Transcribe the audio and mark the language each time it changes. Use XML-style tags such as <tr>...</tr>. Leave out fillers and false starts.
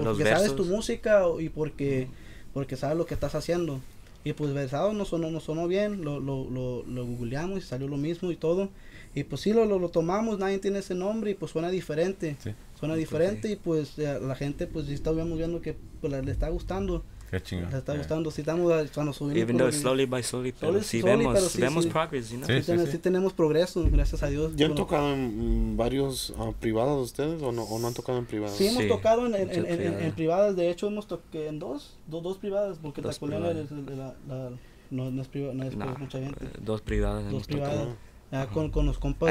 <es>Sabes tu música y porque sabes lo que estás haciendo. Y pues Versado no sonó bien, lo googleamos y salió lo mismo y todo. Y pues sí, lo tomamos, nadie tiene ese nombre y pues suena diferente. Sí. Suena diferente, sí. Y pues la gente pues sí está viendo que pues, le está gustando. Qué chingón. Le está gustando, sí estamos cuando subimos.</es> <en>Even though slowly by slowly,</en> <es>pero sí vemos</es> <en>progress, you know.</en> <es>Sí, tenemos progreso, gracias a Dios. ¿Ya han tocado en varios privados ustedes o no han tocado en privados? Sí, hemos tocado en privadas, de hecho hemos tocado en dos privadas, porque dos la colega no es mucha gente. Dos privadas hemos tocado. Con los compas</es>